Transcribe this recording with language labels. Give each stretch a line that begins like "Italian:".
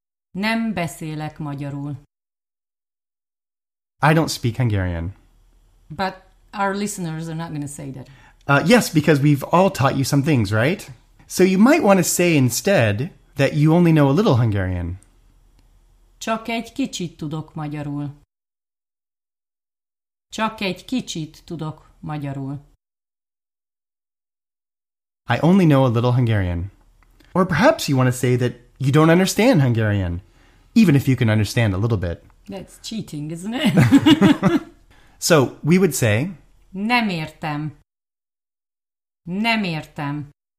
Hungarian: Nem beszélek magyarul.
English: I don't speak Hungarian. But our listeners are not going to say that. Yes, because we've all taught you some things, right? So you might want to say instead that you only know a little Hungarian.
Hungarian: Csak egy kicsit tudok magyarul. Csak egy kicsit tudok magyarul.
English: I only know a little Hungarian. Or perhaps you want to say that you don't understand Hungarian, even if you can understand a little bit. That's cheating, isn't it? So we would say...
Hungarian: Nem értem. Nem értem.